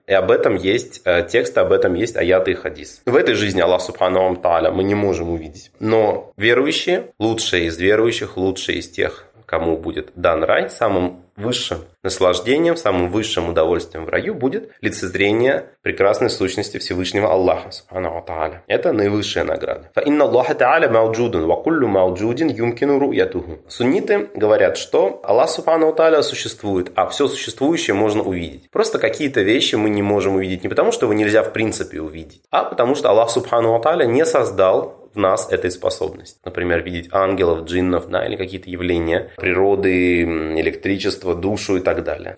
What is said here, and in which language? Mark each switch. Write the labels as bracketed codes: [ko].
[ru] И об этом есть текст, об этом есть аяты и хадис. В этой жизни Аллах Субхану Ва Тааля мы не можем увидеть. Но верующие, лучшие из верующих, лучшие из тех, кому будет дан рай, самым высшим наслаждением, самым высшим удовольствием в раю будет лицезрение прекрасной сущности Всевышнего Аллаха, субханаху ва тааля. Это наивысшая награда. [ar] فإن الله تعالى موجود وكل موجود يمكن رؤيته. [ru] Сунниты говорят, что Аллах, субханаху ва тааля, существует, а все существующее можно увидеть. Просто какие-то вещи мы не можем увидеть не потому, что его нельзя в принципе увидеть, а потому что Аллах, субханаху ва тааля, не создал в нас этой способности. Например, видеть ангелов, джиннов, да, или какие-то явления природы, электричества, душу и так далее.